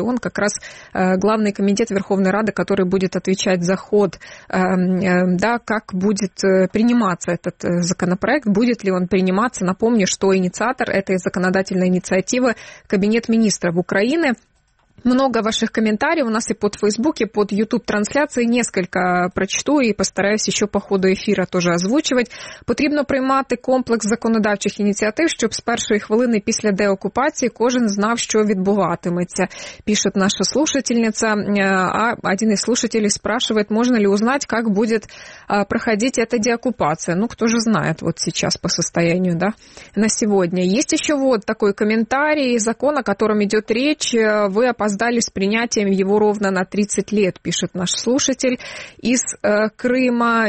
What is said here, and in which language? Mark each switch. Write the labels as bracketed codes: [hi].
[ru] Он как раз главный комитет Верховной Рады, который будет отвечать за ход, да, как будет приниматься этот законопроект, будет ли он приниматься. Напомню, что инициатор этой законодательной инициативы – Кабинет министров Украины. Много ваших комментариев у нас и под Facebook, и под YouTube-трансляцией. Несколько прочту и постараюсь еще по ходу эфира тоже озвучивать. [uk] Потрібно приймати комплекс законодавчих ініціатив, щоб з першої хвилини після деокупації кожен знав, що відбуватиметься, [ru] пишет наша слушательница. А один из слушателей спрашивает, можно ли узнать, как будет проходить эта деокупация. Ну, кто же знает вот сейчас по состоянию, да, на сегодня. Есть еще вот такой комментарий, закон, о котором идет речь. Вы опоздали с принятием его ровно на 30 лет, пишет наш слушатель из Крыма.